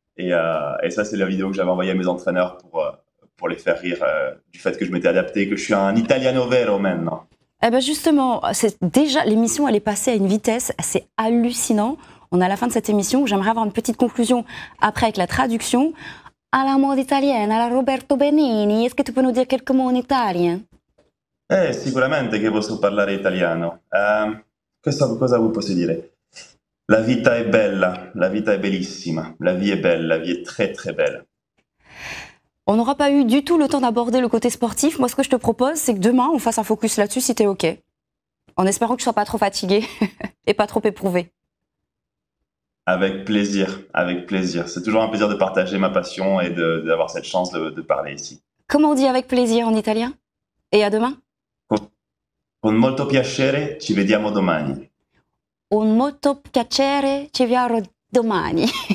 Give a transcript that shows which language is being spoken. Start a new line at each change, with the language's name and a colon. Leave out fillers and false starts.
French: Et ça c'est la vidéo que j'avais envoyée à mes entraîneurs pour les faire rire du fait que je m'étais adapté, que je suis un
Italian: Italiano vero
French: maintenant. Eh ben justement, l'émission elle est passée à une vitesse, c'est hallucinant. On est à la fin de cette émission, j'aimerais avoir une petite conclusion après avec la traduction. À la mode italienne, à la Roberto Benigni, est-ce que tu peux nous dire quelques mots en italien?
Italian: Sicuramente che posso parlare italiano. Questa cosa vi posso dire? La vita è bella, la vita è bellissima.
French: La vie
Italian: è bella,
French: la vie è très très belle. On n'aura pas eu du tout le temps d'aborder le côté sportif. Moi, ce que je te propose, c'est que demain, on fasse un focus là-dessus, si t'es OK. En espérant que je ne sois pas trop fatiguée et pas trop éprouvée. Avec plaisir, avec plaisir. C'est toujours un plaisir de partager ma passion et d'avoir cette chance de parler ici. Comment on dit avec plaisir en italien? Et à demain?
Italian: Con molto piacere, ci vediamo domani. Un molto piacere, ci vediamo domani.